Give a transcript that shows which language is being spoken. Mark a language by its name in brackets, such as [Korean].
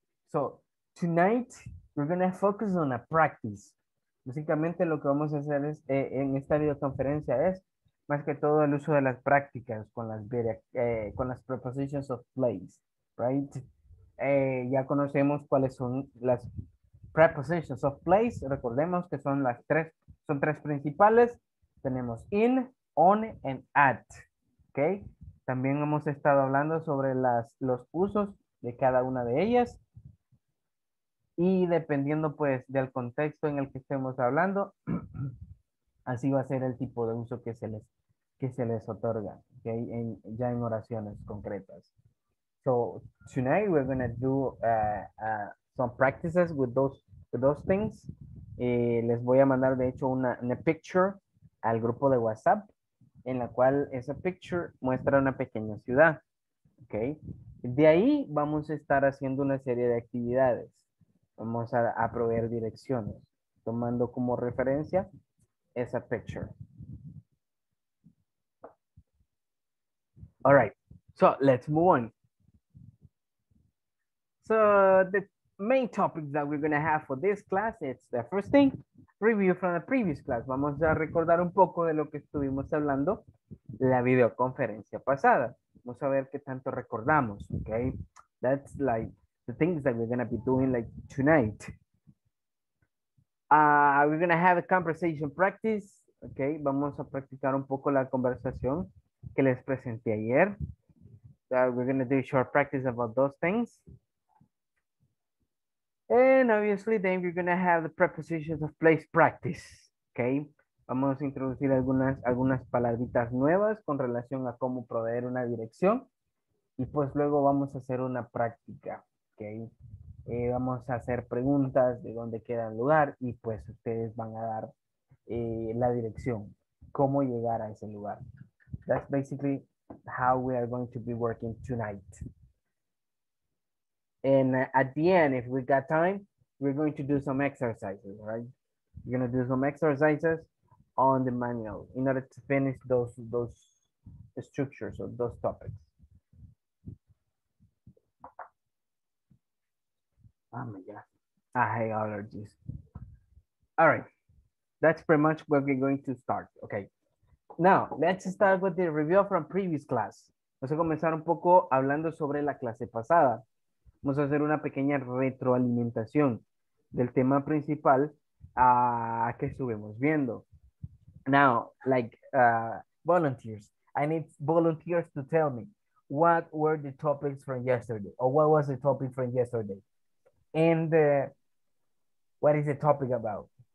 [English] So tonight we're gonna focus on a practice. [Spanish] Básicamente lo que vamos a hacer es, en esta videoconferencia es más que todo el uso de las prácticas con las prepositions of place, right? Ya conocemos cuáles son las prepositions of place, recordemos que son las tres, son tres principales. [English] Tenemos in, on, and at. Okay. [Spanish] También hemos estado hablando sobre los usos de cada una de ellas. Y dependiendo, pues, del contexto en el que estemos hablando, así va a ser el tipo de uso que se les otorga. Okay. Ya en oraciones concretas. [English] So, tonight we're going to do some practices with those things. [Spanish] Les voy a mandar de hecho una picture al grupo de WhatsApp en la cual esa picture muestra una pequeña ciudad. Okay. De ahí vamos a estar haciendo una serie de actividades. Vamos a proveer direcciones tomando como referencia esa picture. [English] All right. So let's move on. So the main topic that we're going to have for this class, it's the first thing, review from the previous class. [Spanish] Vamos a recordar un poco de lo que estuvimos hablando la videoconferencia pasada. Vamos a ver qué tanto recordamos, okay? [English] That's like the things that we're going to be doing like tonight. We're going to have a conversation practice, okay? [Spanish] Vamos a practicar un poco la conversación que les presenté ayer. [English] We're going to do a short practice about those things. And obviously, then you're going to have the prepositions of place practice, okay? [Spanish] Vamos a introducir algunas palabritas nuevas con relación a cómo proveer una dirección. Y pues luego vamos a hacer una práctica, okay? Vamos a hacer preguntas de dónde queda el lugar y pues ustedes van a dar la dirección, cómo llegar a ese lugar. [English] That's basically how we are going to be working tonight. And at the end, if we got time, we're going to do some exercises, right? We're going to do some exercises on the manual in order to finish those structures or those topics. Oh my God, I hate allergies. All right, that's pretty much where we're going to start, okay? Now, let's start with the review from previous class. [Spanish] Vamos a comenzar un poco hablando sobre la clase pasada. Vamos a hacer una pequeña retroalimentación del tema principal que estuvimos viendo. [English] Now, like volunteers, I need volunteers to tell me what were the topics from yesterday or what was the topic from yesterday and what is the topic about?